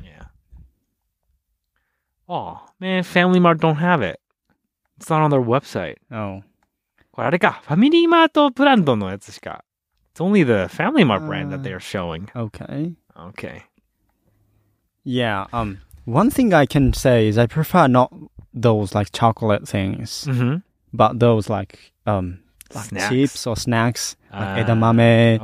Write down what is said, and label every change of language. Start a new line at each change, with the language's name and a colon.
English: Yeah. Oh, man, Family Mart don't have it. It's not on their website. Oh.
Japanese: これあれか、ファミリーマートブランドのやつしか。
English: It's only the Family Mart brand that they are showing. Okay. Okay. Yeah, one thing I can say is I prefer not those like chocolate things, mm-hmm. but those like chips or snacks, like edamame.